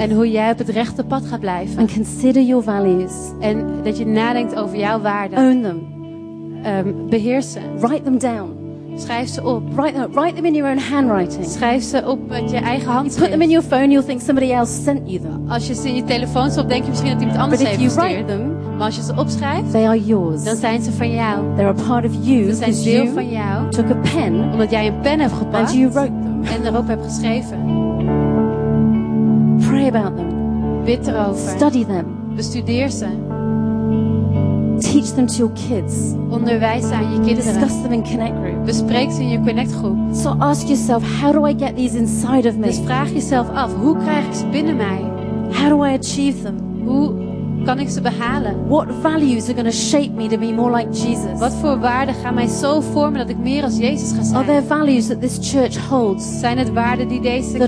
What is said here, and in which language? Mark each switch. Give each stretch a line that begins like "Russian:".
Dutch: En hoe jij op het rechte pad gaat blijven.
English: And consider your values.
Dutch: En dat je nadenkt over jouw waarden.
English: Own them.
Dutch: Beheersen.
English: Write them down.
Dutch: Schrijf ze op.
English: Write them in your own handwriting.
Dutch: Schrijf ze op met je eigen handschrift.
English: You put them in your phone, you'll think somebody else sent you them.
Dutch: Als je ze in je telefoon stopt, denk je misschien dat iemand anders
English: but
Dutch: heeft gestuurd.
English: But if you write them,
Dutch: maar als je ze opschrijft,
English: they are yours.
Dutch: Dan zijn ze van jou.
English: They are part of you.
Dutch: Ze zijn deel van jou.
English: Took a pen,
Dutch: omdat jij een pen hebt gepakt.
English: And you wrote them.
Dutch: En erop hebt geschreven.
English: Pray about them.
Dutch: Bid erover.
English: Study them.
Dutch: Bestudeer ze.
English: Teach them to your kids.
Dutch: Onderwijs aan je kinderen.
English: Discuss them in connect group.
Dutch: Bespreek ze in je connect groep.
English: So ask yourself, how do I get these inside of me?
Dutch: Dus vraag jezelf af, hoe krijg ik ze binnen mij?
English: How do I achieve them?
Dutch: Hoe kan ik ze behalen?
English: What values are going to shape me to be more like Jesus?
Dutch: Wat voor waarden gaan mij zo vormen dat ik meer als Jezus ga zijn?
English: Are there values that this church holds?
Dutch: Zijn het waarden die deze
English: that